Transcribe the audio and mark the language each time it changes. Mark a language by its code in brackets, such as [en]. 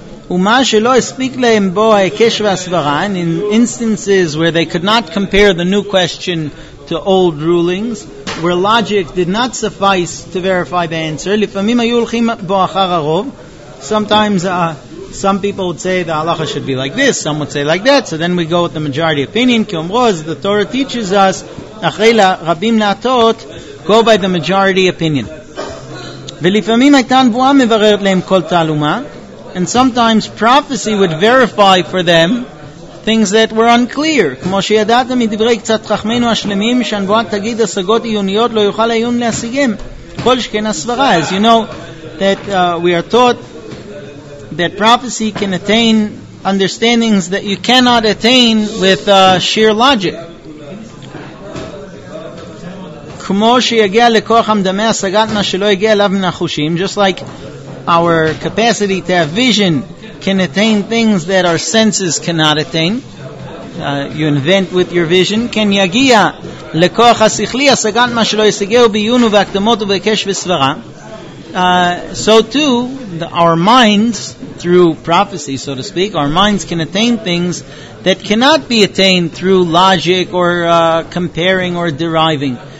[he] ומה שלא הספיק להם בו ההיקש והסברה, [en] in instances where they could not compare the new question to old rulings, where logic did not suffice to verify the answer, [he] לפעמים היו הולכים בו אחר הרוב, [en] sometimes some people would say the halacha should be like this, some would say like that, so then we go with the majority opinion. [he] Ki omro, [en] as the Torah teaches us, [he] אחרי רבים להטות, [en] go by the majority opinion. [he] ולפעמים הייתה נבואה מבררת להם כל תעלומה, [en] and sometimes prophecy would verify for them things that were unclear. [he] כמו שידעתם מדברי קצת חכמנו השלמים, שהנבואה תגיד השגות עיוניות לא יוכל העיון להשיגם. כל שכן הסברה. [en] As you know, that we are taught that prophecy can attain understandings that you cannot attain with sheer logic. [he] כמו שיגיע לכוח המדמה השגת מה שלא יגיע אליו מן החושים, [en] just like our capacity to have vision can attain things that our senses cannot attain. You invent with your vision. [he] כן יגיע לכוח השכלי השגת מה שלא ישגהו בעיון ובהקדמות ובהיקש וסברה. [en] So too, our minds, through prophecy, so to speak, our minds can attain things that cannot be attained through logic or comparing or deriving.